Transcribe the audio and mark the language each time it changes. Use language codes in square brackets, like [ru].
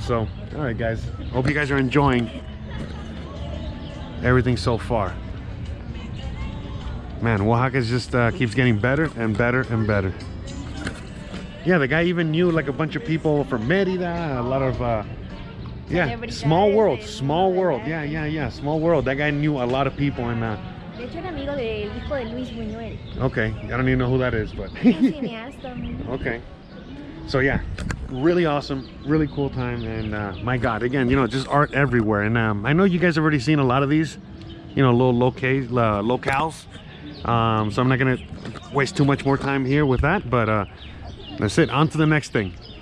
[en] So all right guys, hope you guys are enjoying everything so far. Man, Oaxaca just keeps getting better and better and better. Yeah, the guy even knew like a bunch of people from Merida, a lot of, yeah, small world, small world. Yeah, yeah, yeah, small world. That guy knew a lot of people and, [es] De hecho, era amigo del hijo de Luis Buñuel. [en] Okay, I don't even know who that is, but. Okay. So, yeah, really awesome, really cool time. And, my God, again, you know, just art everywhere. And I know you guys have already seen a lot of these, you know, little locales. So I'm not going to waste too much more time here with that, but, that's it, on to the next thing.